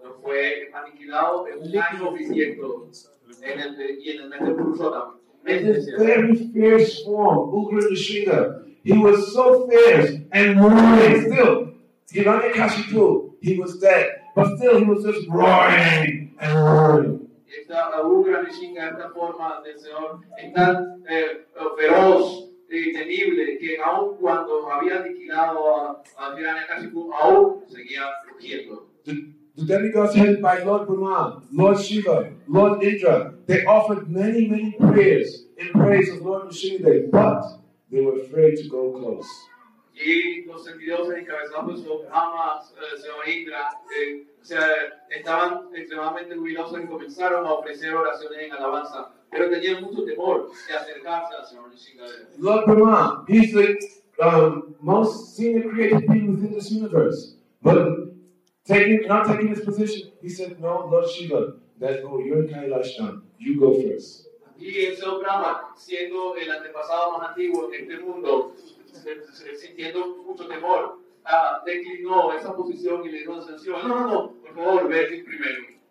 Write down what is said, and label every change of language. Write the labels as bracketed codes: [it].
[en] In this very fierce form, Ugra Nishinga, he was so fierce and roaring. Still, Hiranyakashipu, he was dead, but still he was just roaring and roaring. [es] Esta Ugra Nishinga, esta forma del Señor, es tan feroz y temible que aun cuando había aniquilado a Hiranyakashipu, aún seguía rugiendo. [en] To them it was held by Lord Brahma, Lord Shiva, Lord Indra. They offered many, many prayers in praise of Lord Vishnudev, but they were afraid to go close. Lord Brahma, he's the most senior created being within this universe. But not taking his position, he said, no, Lord Shiva, let's go, you're Kailashtan, you go first. [es] Y el señor Brahma, siendo el antepasado más antiguo de este mundo, sintiendo mucho temor, declinó esa posición y le dijo al señor, no, por favor, ve aquí primero.